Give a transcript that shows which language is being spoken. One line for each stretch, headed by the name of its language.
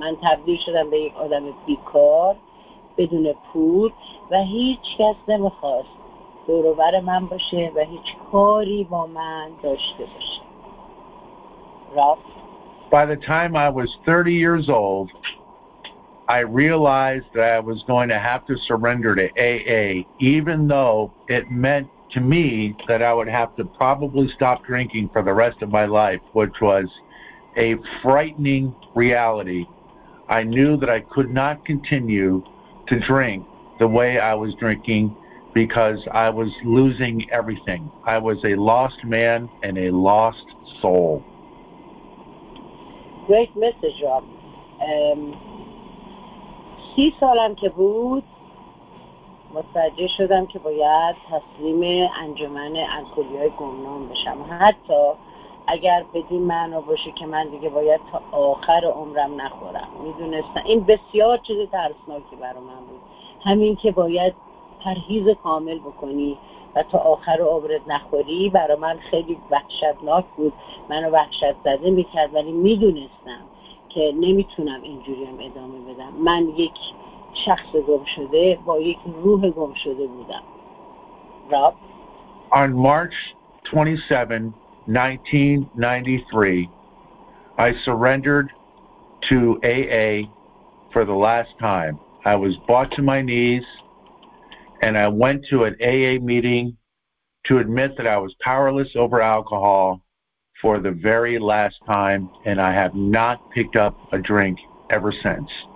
Persian: من تبدیل شدم به یک آدم بیکار بدون پول و هیچ کس نمیخواست دور و بر من باشه و هیچ کاری با من داشته باشه. رفت.
English: By the time I was 30 years old, I realized that I was going to have to surrender to AA, even though it meant to me that I would have to probably stop drinking for the rest of my life, which was a frightening reality. I knew that I could not continue to drink the way I was drinking because I was losing everything. I was a lost man and a lost soul. Great message, Rob.
Persian: 30 سالم که بود متوجه شدم که باید تسلیم انجمن الکلی‌های گمنام بشم. حتی اگر بدین معنی باشه که من دیگه باید تا آخر عمرم نخورم. میدونستم این بسیار چیز ترسناکی برای من بود، همین که باید پرهیز کامل بکنی و تا آخر عمرت نخوری برای من خیلی وحشتناک بود، منو وحشت زده میکرد. ولی میدونستم که نمیتونم اینجوری هم ادامه بدم. من یک شخص گم شده با یک روح گم شده بودم. راب.
English: On March 27 1993, I surrendered to AA for the last time. I was brought to my knees, and I went to an AA meeting to admit that I was powerless over alcohol for the very last time, and I have not picked up a drink ever since.